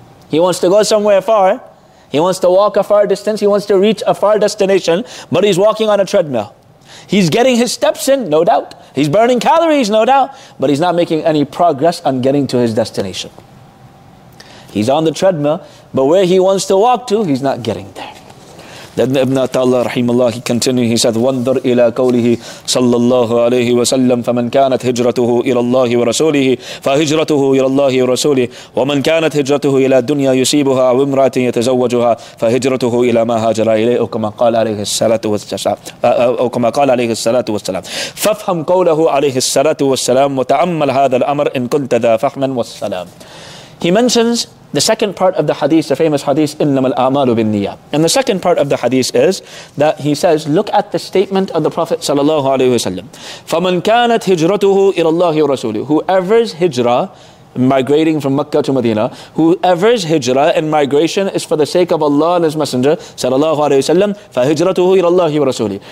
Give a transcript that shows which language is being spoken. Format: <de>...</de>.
<en>He wants to go somewhere far. He wants to walk a far distance, he wants to reach a far destination, but he's walking on a treadmill. He's getting his steps in, no doubt. He's burning calories, no doubt, but he's not making any progress on getting to his destination. He's on the treadmill, but where he wants to walk to, he's not getting there. Then Ibn Atallah rahimahullah, he continued, he said,</en> <ar>وَانْظُرْ إِلَىٰ قَوْلِهِ صَلَّى اللَّهُ عَلَيْهِ وَسَلَّمْ فَمَنْ كَانَتْ هِجْرَتُهُ إِلَى اللَّهِ وَرَسُولِهِ فَهِجْرَتُهُ إِلَى اللَّهِ وَرَسُولِهِ وَمَنْ كَانَتْ هِجْرَتُهُ إِلَىٰ دُنْيَا يُسِيبُهَا أَوْ امْرَأَةٍ يَتَزَوَّجُهَا فَهِجْرَتُهُ إِلَىٰ مَا هَاجَرَ إِلَيْهِ أَوْ كَمَا قَالَ عَلَيْهِ الصَّلَاةُ وَالسَّلَامُ فَافْهَمْ قَوْلَهُ عَلَيْهِ الصَّلَاةُ وَالسَّلَامُ وَتَأَمَّلْ هَذَا الْأَمْرَ إِنْ كُنْتَ ذَا فَهْمًا وَالسَّلَامُ.</ar> <en>He mentions the second part of the hadith, the famous hadith,</en> <ar>إِنَّمَا الْأَعْمَالُ بِالنِّيَّةِ.</ar> <en>And the second part of the hadith is that he says, look at the statement of the Prophet sallallahu alaihi wasallam,</en> <ar>فَمَنْ كَانَتْ هِجْرَتُهُ إِلَى اللَّهِ وَرَسُولِهِ.</ar> <en>Whoever's hijra, migrating from Makkah to Medina, whoever's hijra and migration is for the sake of Allah and His Messenger sallallahu alaihi wasallam,</en> <ar>فَهِجْرَتُهُ إِلَى اللَّهِ وَرَسُولِهِ.</ar>